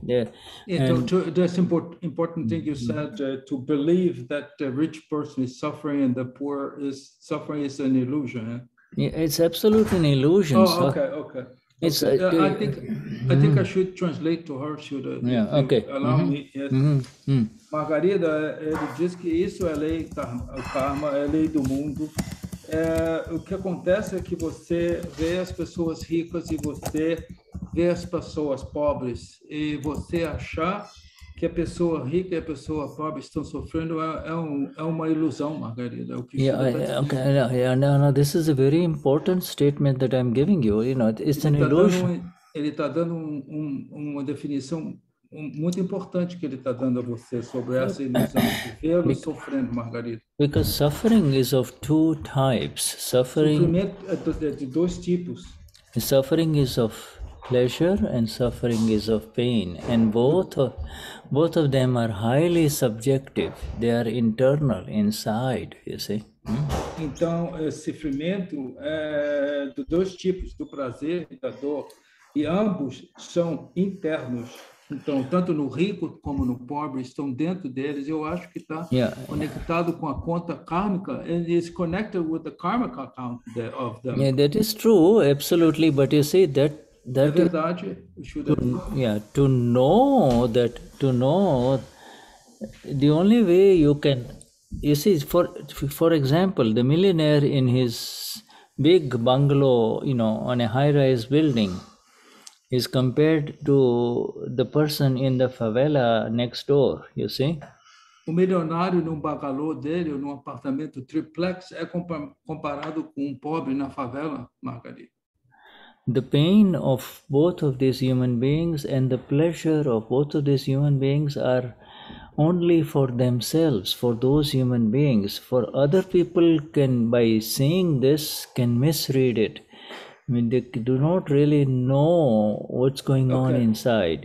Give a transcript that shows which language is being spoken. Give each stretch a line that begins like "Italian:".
English: That's important thing you said, to believe that the rich person is suffering and the poor is suffering is an illusion, eh? It's absolutely an illusion. Oh, okay. It's, I think I should translate to her, should yeah, you okay. allow mm-hmm. me. Yes. Mm-hmm.
Portuguese: Margarida, ele diz que isso é lei, o karma é lei do mundo. É, o que acontece é que você vê as pessoas ricas e você vê as pessoas pobres. E você achar que a pessoa rica e a pessoa pobre estão sofrendo é uma ilusão, Margarida.
English: This is a very important statement that I'm giving you. You know, it's an illusion.
Portuguese: Ele está dando uma definição muito importante que ele está dando a você sobre essa ilusão de vê-lo sofrendo, Margarida.
English: Because suffering is of two types.
Portuguese: Sofrimento é de dois tipos.
English: Suffering is of pleasure and suffering is of pain, and both of them are highly subjective. They are internal, inside, you see.
Portuguese: Então, sofrimento é de dois tipos, do prazer e da dor, e ambos são internos. Então, tanto no rico como no pobre, estão dentro deles. Eu acho que está conectado com a conta kármica.
English: And it's connected with the karmic account of them. Yeah, that is true, absolutely. But you see, that
Portuguese: é verdade,
English: to know the only way you can, you see, for example, the millionaire in his big bungalow, you know, on a high-rise building, is compared to the person in the favela next door, you see.
Portuguese: O milionário num bungalow dele, num apartamento triplex, é comparado com pobre na favela, Margarida.
English: The pain of both of these human beings and the pleasure of both of these human beings are only for themselves, for those human beings. For other people, can by seeing this, can misread it. I mean, they do not really know what's going on inside.